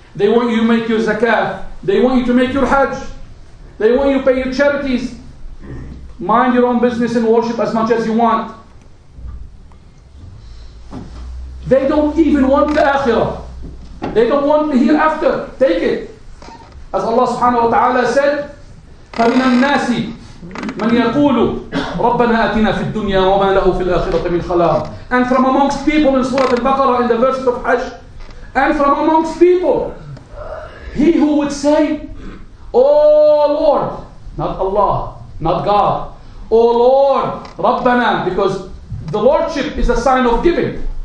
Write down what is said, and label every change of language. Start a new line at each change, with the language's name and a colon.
English: They want you to make your zakah. They want you to make your hajj. They want you to pay your charities. Mind your own business and worship as much as you want. They don't even want the Akhirah. They don't want the hereafter. Take it. As Allah subhanahu wa ta'ala said,
Arabic: فَمِنَ النَّاسِ مَنْ يَقُولُ رَبَّنَا أَتِنَا فِي الدُّنْيَا وَمَا لَهُ فِي الْآخِرَةِ مِنْ خَلَاقٍ.
English: And from amongst people in Surah Al-Baqarah, in the verses of Hajj, and from amongst people, he who would say, oh Lord, not Allah, not God, oh Lord, رَبَّنَا, because the Lordship is a sign of giving.